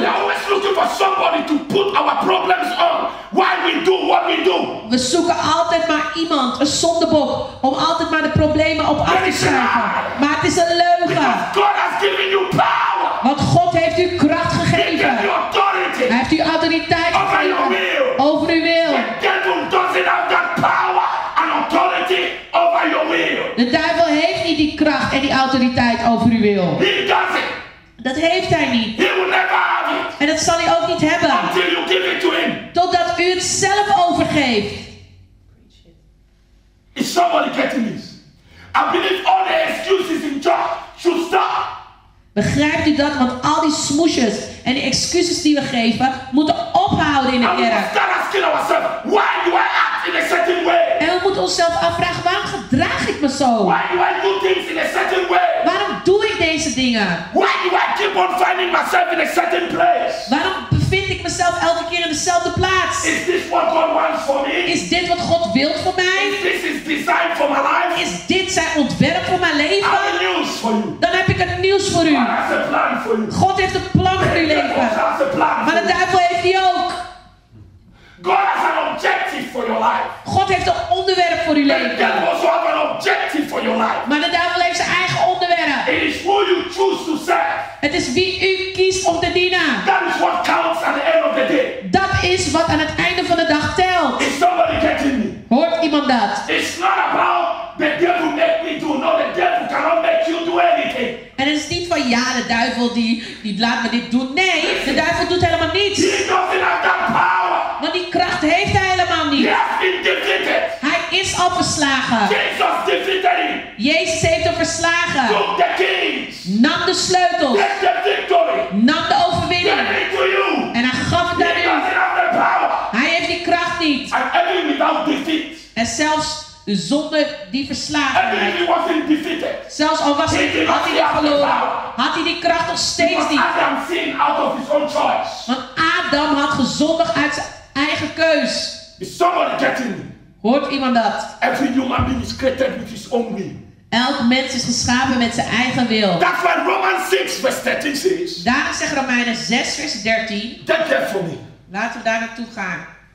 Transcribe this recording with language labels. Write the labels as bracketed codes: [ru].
[en] We are always looking for somebody to put our problems on. Why we do what we do. [nl] We zoeken altijd maar iemand, een zondebok, om altijd maar de problemen op af te schrijven. Maar het is een leugen. [en] Because God has given you power. [nl] Want God heeft u kracht gegeven. [en] He gave you authority. [nl] Hij heeft u autoriteit over gegeven. [en] Your will. [nl] Over uw wil. [en] The devil doesn't have that power and authority over your will. [nl] De duivel heeft niet die kracht en die autoriteit over uw wil. [en] He does it. [nl] Dat heeft hij niet. [en] He will never have it. [nl] En dat zal hij ook niet hebben. [en] Until you give it to him. [nl] Totdat u het zelf overgeeft. [en] Is somebody getting this? I believe all the excuses in church should stop. [nl] Begrijpt u dat? Want al die smoesjes en die excuses die we geven, moeten ophouden in de kerk. [en] And we start asking ourselves, why do I act in a certain way? [nl] En we moeten onszelf afvragen, waarom gedraag ik me zo? [en] Why do I do things in a certain way? [nl] Waarom doe ik deze dingen? [en] Why do I keep on finding myself in a certain place? [nl] Waarom bevind ik mezelf elke keer in dezelfde plaats? [en] Is this what God wants for me? [nl] Is dit wat God wil voor mij? [en] Is this his design for my life? [nl] Is dit zijn ontwerp voor mijn leven? [en] I have news for you. [nl] Dan heb ik een nieuws voor u. [en] God has a plan for you. [nl] God heeft een plan voor uw leven. [en] Has a plan [nl] maar de duivel heeft die ook. [en] God has an objective for your life. [nl] God heeft een onderwerp voor uw leven. [en] The devil also have an objective for your life. [nl] Maar de duivel heeft zijn eigen onderwerp. [en] It is who you choose to serve. [nl] Het is wie u kiest om te dienen. [en] That is what counts at the end of the day. [nl] Dat is wat aan het einde van de dag telt. [en] Is somebody getting me? [nl] Hoort iemand dat? [en] It's not about the devil make me do. No, the devil cannot make you do anything. [nl] En het is niet van ja, de duivel die laat me dit doen. Nee, de duivel doet helemaal niets. [en] He doesn't have that power. [nl] Want die kracht heeft hij helemaal niet. [en] He has been defeated. [nl] Hij is al verslagen. [en] Jesus defeated him. [nl] Jezus heeft hem verslagen. [en] Took the keys. [nl] Nam de sleutels. [en] Take the victory. [nl] Nam de overwinning. [en] Give it to you. [nl] En hij gaf het aan u. [en] He doesn't have the power. [nl] Hij heeft die kracht niet. [en] And even without defeat. [nl] En zelfs zonder die verslagenheid. Zelfs al was hij niet, had hij die verloren. Had hij die kracht nog steeds niet. [en] Adam sin out of his own choice. [nl] Want Adam had gezondigd uit zijn eigen keus. [en] Is somebody getting me? [nl] Hoort iemand dat? [en] Every human being is created with his own will. [nl] Elk mens is geschapen met zijn eigen wil. [en] That's why Romans 6 verse 13 says. [nl] Daarom zegt Romeinen 6 vers 13. [en] That death for me. [nl] Laten we daar naartoe gaan.